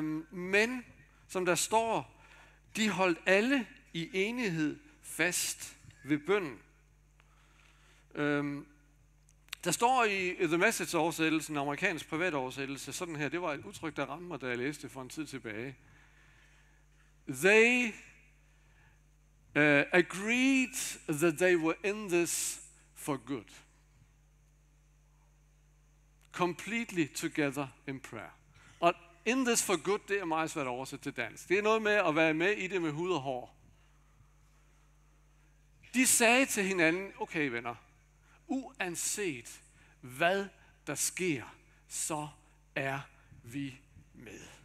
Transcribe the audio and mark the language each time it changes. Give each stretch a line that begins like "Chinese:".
Danish: Men, som der står, de holdt alle i enighed fast ved bønnen. Der står i The Message-oversættelsen, amerikansk privatoversættelse, sådan her, det var et udtryk, der ramte mig, da jeg læste for en tid tilbage.
English: They agreed that they were in this for good. Completely together in prayer.
Danish: Og
English: in this for good,
Danish: det er meget svært at oversætte til dansk. Det er noget med at være med i det med hud og hår. De sagde til hinanden, okay venner, uanset hvad der sker, så er vi med.